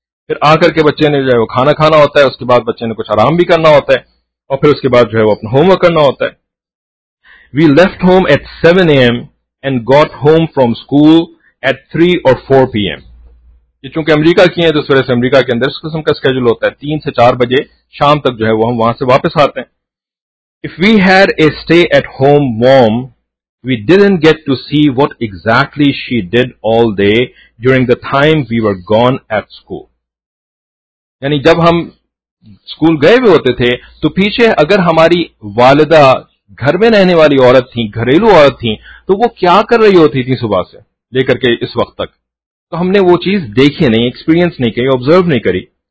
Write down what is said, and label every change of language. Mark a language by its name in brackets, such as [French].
[Urdu] پھر آ کر کے بچے نے جو ہے وہ کھانا کھانا ہوتا ہے, اس کے بعد بچے نے کچھ آرام بھی کرنا ہوتا ہے, اور پھر اس کے بعد جو ہے وہ اپنا ہوم ورک کرنا ہوتا ہے. [English] We left home at 7 AM and got home from school at 3 or 4 PM. [Urdu] یہ چونکہ امریکہ کی ہیں تو اس وجہ سے امریکہ کے اندر اس قسم کا اسکیڈول ہوتا ہے, [English] 3 to 4 PM [Urdu] شام تک جو ہے وہ ہم وہاں سے واپس آتے ہیں. [English] If we had a stay at home mom, we didn't get to see what exactly she did all day during the time we were gone at school. [Urdu] یعنی جب ہم اسکول گئے ہوئے ہوتے تھے تو پیچھے اگر ہماری والدہ گھر میں رہنے والی عورت تھیں, گھریلو عورت تھیں, تو وہ کیا کر رہی ہوتی تھیں صبح سے لے کر کے اس وقت تک؟ تو ہم نے وہ چیز دیکھی نہیں, ایکسپیرینس نہیں کی, آبزرو نہیں کری.